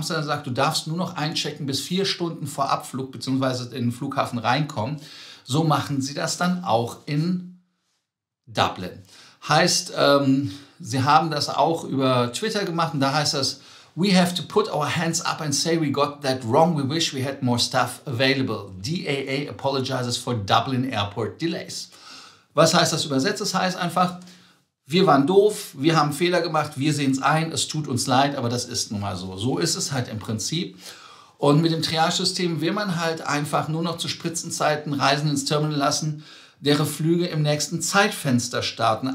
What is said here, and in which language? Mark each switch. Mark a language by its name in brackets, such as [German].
[German] Amsterdam sagt, du darfst nur noch einchecken bis 4 Stunden vor Abflug bzw. in den Flughafen reinkommen. So machen sie das dann auch in Dublin. Heißt, sie haben das auch über Twitter gemacht und da heißt das, [English] we have to put our hands up and say we got that wrong. We wish we had more staff available. DAA apologizes for Dublin Airport delays. [German] Was heißt das übersetzt? Das heißt einfach, wir waren doof, wir haben Fehler gemacht, wir sehen es ein, es tut uns leid, aber das ist nun mal so. So ist es halt im Prinzip. Und mit dem Triage-System will man halt einfach nur noch zu Spritzenzeiten Reisen ins Terminal lassen, deren Flüge im nächsten Zeitfenster starten.